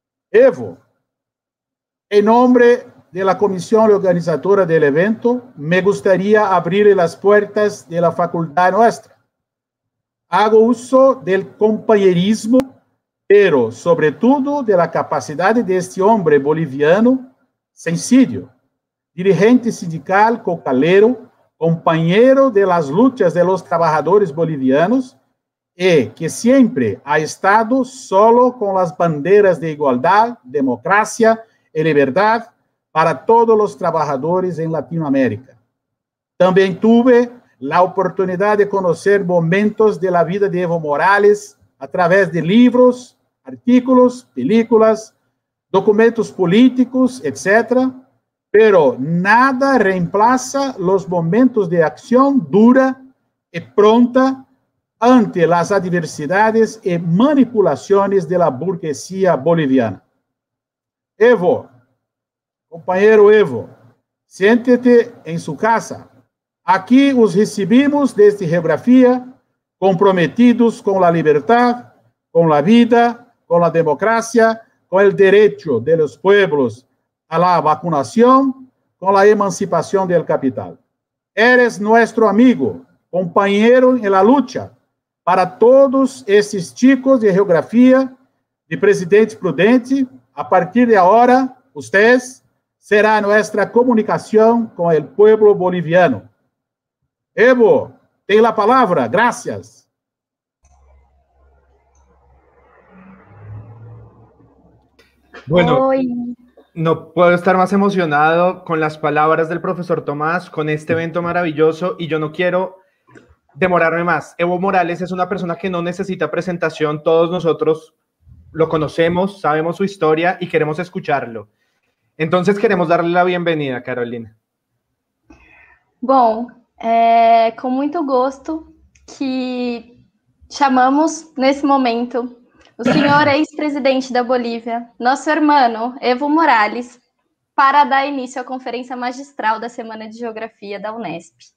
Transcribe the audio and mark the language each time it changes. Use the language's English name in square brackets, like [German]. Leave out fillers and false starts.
[Portuguese] Evo, em nome da comissão organizadora do evento, me gostaria de abrir as portas da faculdade nossa. [Spanish] Hago uso del compañerismo, pero sobre todo de la capacidad de este hombre boliviano, Cencidio, dirigente sindical cocalero, compañero de las luchas de los trabajadores bolivianos, y que siempre ha estado solo con las banderas de igualdad, democracia y libertad para todos los trabajadores en Latinoamérica. También tuve la oportunidad de conocer momentos de la vida de Evo Morales a través de libros, artículos, películas, documentos políticos, etc. Pero nada reemplaza los momentos de acción dura y pronta ante las adversidades y manipulaciones de la burguesía boliviana. Evo, compañero Evo, siéntete en su casa. [Portuguese] Aqui os recebemos desde geografia, comprometidos com a liberdade, com a vida, com a democracia, com o direito dos pueblos à vacunação, com a emancipação do capital. [Spanish] Eres [Portuguese] nosso amigo, companheiro em la lucha para todos esses [Spanish] chicos [Portuguese] de geografia, de Presidente Prudente. A partir de agora, vocês será nossa comunicação com o pueblo boliviano. Evo, tem a palavra. Graças. Bueno, não posso estar mais emocionado com as palavras do professor Tomás, com este evento maravilhoso, e eu não quero [Spanish] demorarme más. Evo Morales es una persona que no necesita presentación. Todos nosotros lo conocemos, sabemos su historia y queremos escucharlo. Entonces queremos darle la bienvenida, Carolina. [Portuguese] Bom, com muito gosto que chamamos nesse momento o senhor ex-presidente da Bolívia, nosso irmão Evo Morales, para dar início à conferência magistral da Semana de Geografia da Unesp.